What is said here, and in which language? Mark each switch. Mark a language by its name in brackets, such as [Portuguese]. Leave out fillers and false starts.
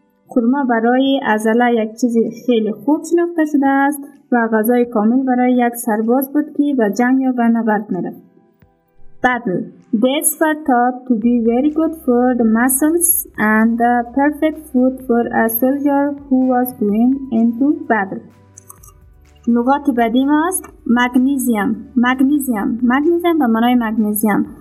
[Persian] خرما برای عضله یک چیز خیلی خوب شناخته شده است و غذای کامل برای یک سرباز بود که به جنگ یا به نبرد میره. [English] Battle. Dates were thought to be very good for the muscles and the perfect food for a soldier who was going into battle. [Persian] نقاط بعدی ما است magnesium به معنای magnesium.